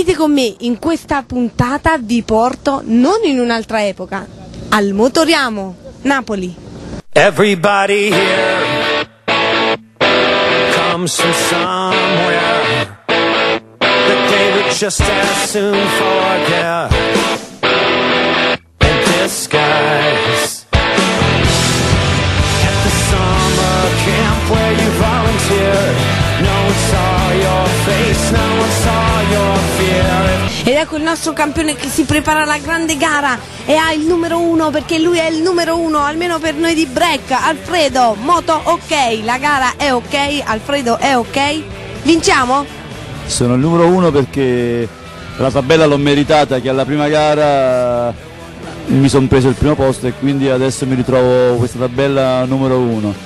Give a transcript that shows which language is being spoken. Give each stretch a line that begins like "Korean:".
Italian: me in questa puntata vi porto non in un'altra epoca, al Motoriamo Napoli.
English: Everybody here comes from somewhere that they would just as soon forget. In disguise, at the summer camp where you volunteer, no one saw your face, no one saw your fear.
Italian: Ed ecco il nostro campione che si prepara alla grande gara e ha il numero uno, perché lui è il numero uno, almeno per noi di Break. Alfredo, moto ok, la gara è ok, Alfredo è ok, vinciamo? Sono il numero uno perché la tabella l'ho meritata, che alla prima gara mi sono preso il primo posto e quindi adesso mi ritrovo questa tabella numero uno.